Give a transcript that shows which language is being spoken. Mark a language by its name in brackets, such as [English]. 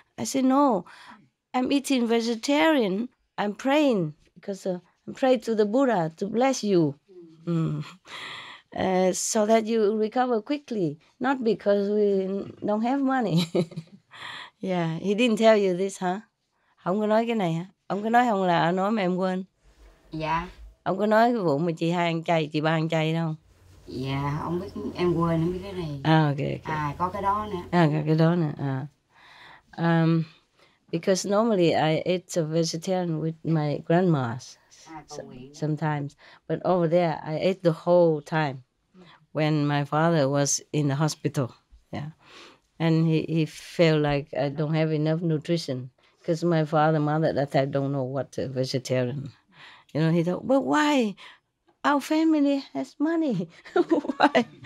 [English] I said, no, I'm eating vegetarian. I'm praying because I pray to the Buddha to bless you. So that you recover quickly, not because we don't have money. Yeah, he didn't tell you this, huh? [Vietnamese] Không có nói cái này hả? Ông có nói không là nói mà em quên? Dạ. Ông có nói cái vụ mà chị hai ăn chay, chị ba ăn chay đâu? Dạ, ông biết em quên, em biết cái này. À, ok. À, có cái đó nữa. À, có cái đó nữa, à. [English] Because normally I eat a vegetarian with my grandma's. Sometimes, but over there I ate the whole time when my father was in the hospital, yeah, and he felt like I don't have enough nutrition because my father and mother that I don't know what a vegetarian, you know, he thought, but why our family has money? Why?